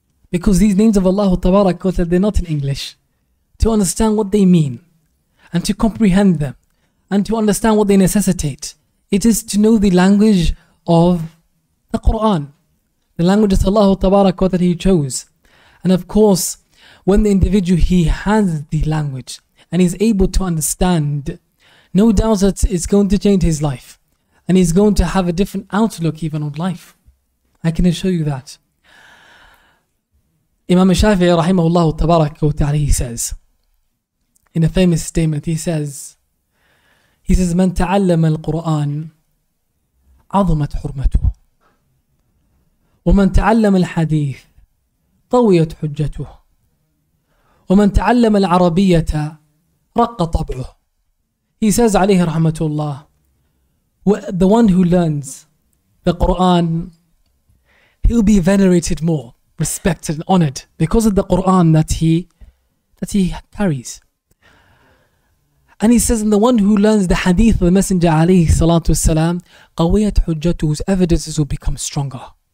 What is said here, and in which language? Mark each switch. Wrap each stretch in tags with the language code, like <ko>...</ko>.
<en>Because these names of Allah, they're not in English. To understand what they mean and to comprehend them and to understand what they necessitate, it is to know the language of the Quran, the language of Allah that He chose. And of course, when the individual, he has the language and he's able to understand, no doubt that it's going to change his life. And he's going to have a different outlook even on life. I can assure you that. Imam Shafi'i rahimahullah tabarak wa ta'ala, he says,</en> <ar>in a famous statement, he says, من تعلم القرآن عظمت حرمته ومن تعلم الحديث طويت حجته ومن تعلم العربية رق طبعه.</ar> <en>He says</en> <ar>عليه رحمة الله,</ar> <en>the one who learns the Quran, he will be venerated more, respected and honored because of the Quran that he carries. And he says, and the one who learns the hadith of the Messenger alayhi salatu wasalam, qawiyat hujjatuhu's evidences will become stronger.</en>